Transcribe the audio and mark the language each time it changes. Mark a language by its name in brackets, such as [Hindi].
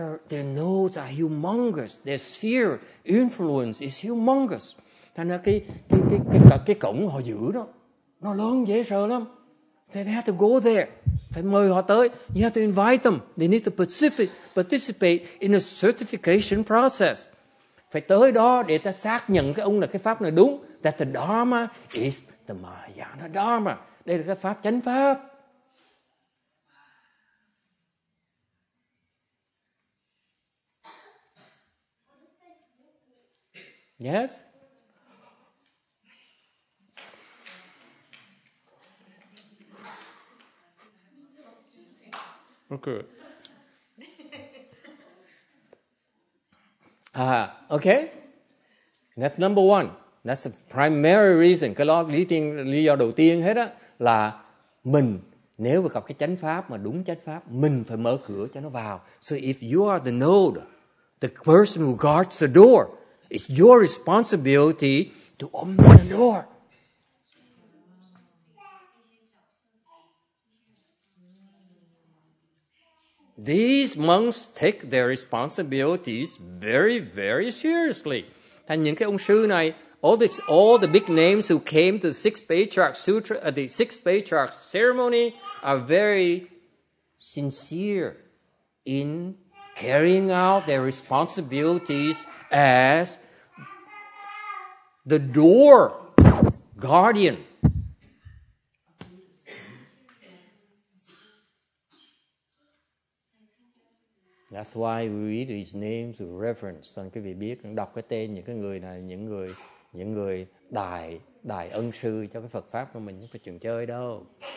[English] Their notes are humongous. Their sphere influence is humongous. [Vietnamese] Thành ra cái cổng họ giữ đó nó lớn dễ sợ lắm. [English] They have to go there. [Vietnamese] Phải mời họ tới. [English] You have to invite them. They need to participate in a certification process. [Vietnamese] Phải tới đó để ta xác nhận cái ông là cái pháp này đúng. [English] That the Dharma is the Mahayana Dharma. [Vietnamese] Đây là cái pháp chánh pháp. [English] Yes. Okay. Okay. That's number one. That's the primary reason. [Vietnamese] Cái lý do đầu tiên hết á là mình nếu mà gặp cái chánh pháp mà đúng chánh pháp, mình phải mở cửa cho nó vào. [English] So if you are the node, the person who guards the door, it's your responsibility to open the door. These monks take their responsibilities very, very seriously. [Vietnamese] Thành những cái ông sư này, [English] all the big names who came to the Six Patriarch Sutra, the Six Patriarch Ceremony, are very sincere in carrying out their responsibilities as the door guardian. That's why we read his names with reverence. [Vietnamese] Xong quý vị biết, đọc cái tên những cái người này, những người đại ân sư cho cái Phật pháp của mình, không phải chuyện chơi đâu.